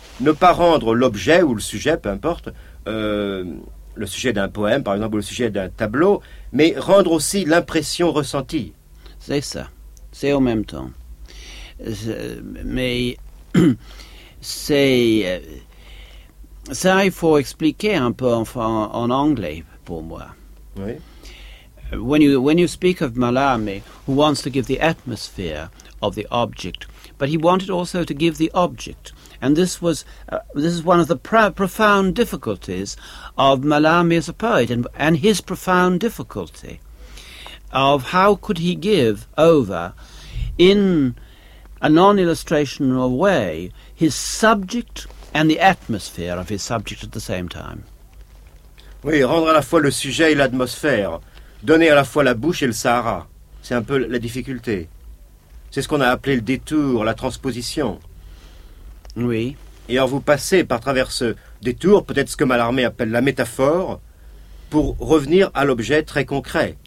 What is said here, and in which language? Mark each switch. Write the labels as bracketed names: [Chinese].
[French] Ne pas rendre l'objet ou le sujet, peu importe, le sujet d'un poème, par exemple, ou le sujet d'un tableau, mais rendre aussi l'impression ressentie. C'est ça. C'est en même temps. Mais c'est... Ça, il faut expliquer un peu en anglais, pour moi. Oui. [English] When you speak of Mallarmé, who wants to give the atmosphere of the object, but he wanted also to give the object. And this is one of the profound difficulties of Mallarmé as a poet, and his profound difficulty of how could he give over, in a non-illustrational way, his subject and the atmosphere of his subject at the same time. [French] Oui, rendre à la fois le sujet et l'atmosphère. Donner à la fois la bouche et le Sahara, c'est un peu la difficulté. C'est ce qu'on a appelé le détour, la transposition. Oui. Et alors vous passez par travers ce détour, peut-être ce que Mallarmé appelle la métaphore, pour revenir à l'objet très concret.